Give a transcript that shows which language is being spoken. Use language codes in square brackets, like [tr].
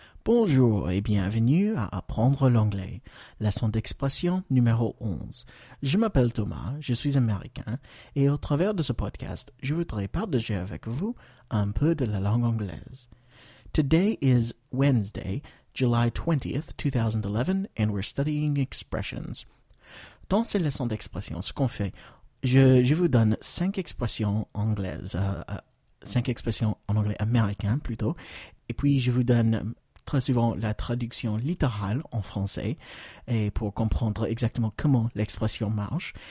[fr] Bonjour et bienvenue à Apprendre l'anglais, leçon d'expression numéro 11. Je m'appelle Thomas, je suis américain, et au travers de ce podcast, je voudrais partager avec vous un peu de la langue anglaise. [en] Today is Wednesday, July 20th, 2011, and we're studying expressions. [fr] Dans ces leçons d'expression, ce qu'on fait, je vous donne 5 expressions anglaises, 5 expressions en anglais américain plutôt, et puis je vous donne très souvent la traduction littérale en français et pour comprendre exactement comment l'expression marche.